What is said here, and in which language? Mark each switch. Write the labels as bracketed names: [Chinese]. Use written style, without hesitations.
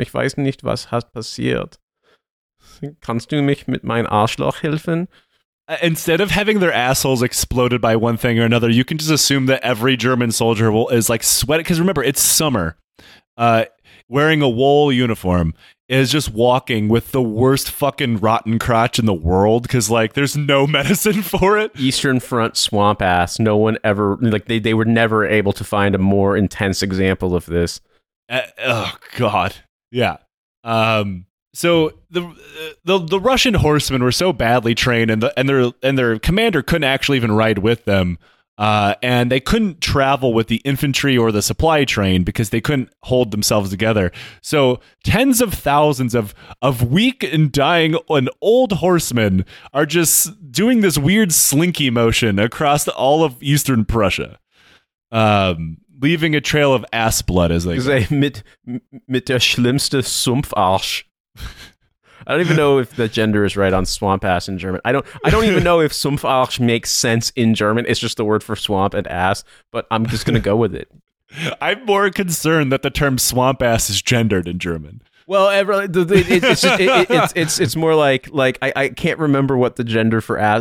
[German] Ich weiß nicht, was hat passiert. Kannst du mich mit mein Arschloch helfen? [English] Instead of having their assholes exploded by one thing or another, you can just assume that every German soldier is like sweating. Because remember, it's summer. Wearing a wool uniform is just walking with the worst fucking rotten crotch in the world. Because like, there's no medicine for it. Eastern Front swamp ass. No one ever, like, they were never able to find a more intense example of this. Oh, God. Yeah. So the Russian horsemen were so badly trained, and their commander couldn't actually even ride with them, and they couldn't travel with the infantry or the supply train because they couldn't hold themselves together. So tens of thousands of weak and dying and old horsemen are just doing this weird slinky motion across all of Eastern Prussia, leaving a trail of ass blood as they go. [German] Mit der schlimmste Sumpfarsch. [English] I don't even know if the gender is right on swamp ass in German. I don't even know if Sumpfarsch makes sense in German. It's just the word for swamp and ass, but I'm just going to go with it. I'm more concerned that the term swamp ass is gendered in German. Well, it's more like I can't remember what the gender for ass.